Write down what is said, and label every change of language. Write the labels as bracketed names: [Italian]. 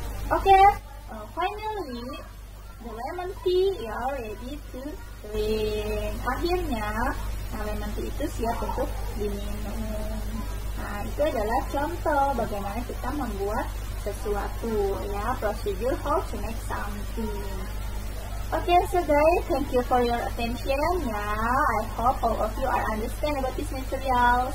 [English] Okay, finally the lemon tea ya ready to drink. [Indonesian] Akhirnya lemon tea itu siap untuk diminum. Nah, itu adalah contoh bagaimana kita membuat sesuatu ya, prosedur how to make something. [English] Okay, so guys, thank you for your attention ya. I hope all of you are understand about this material.